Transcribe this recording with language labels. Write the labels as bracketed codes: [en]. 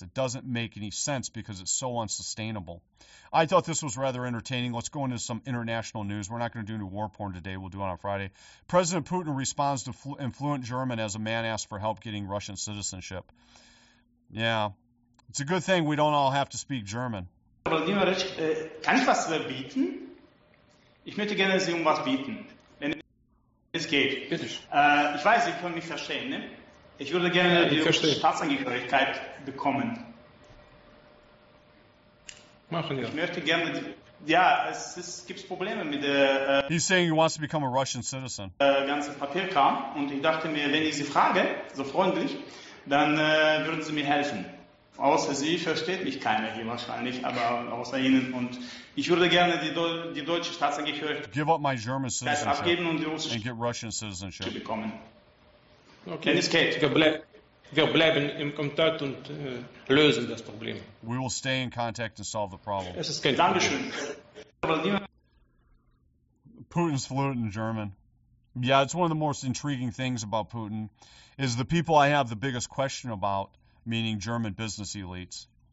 [en] It doesn't make any sense because it's so unsustainable. I thought this was rather entertaining. Let's go into some international news. We're not going to do any war porn today. We'll do it on Friday. President Putin responds to fluent German as a man asked for help getting Russian citizenship. Yeah. It's a good thing we don't all have to speak German. [de] Vladimirich, kann ich was bieten? Ich möchte gerne Sie um was bieten, wenn es geht. Bitte. Ich weiß, Sie können mich verstehen, ne? Ich würde gerne die Staatsangehörigkeit bekommen. Machen Sie. Ich möchte gerne, ja, es gibt Probleme mit der... [en] He's saying he wants to become a Russian citizen. [de] ...ganze Papierkram. Und ich dachte mir, wenn ich Sie frage, so freundlich, dann würden Sie mir helfen. Außer Sie versteht mich keiner hier wahrscheinlich, aber außer Ihnen. Und ich würde gerne die deutsche Staatsangehörigkeit [en] give up my German citizenship [de] abgeben und die russische [en] and get Russian citizenship [de] bekommen. Okay. Wenn es geht. Wir bleiben im Kontakt und lösen das Problem. [en] We will stay in contact and solve the problem. [de] Es ist kein Dankeschön. Problem. [en] Putin's fluent in German. Yeah, it's one of the most intriguing things about Putin is the people I have the biggest question about, meaning German business elites.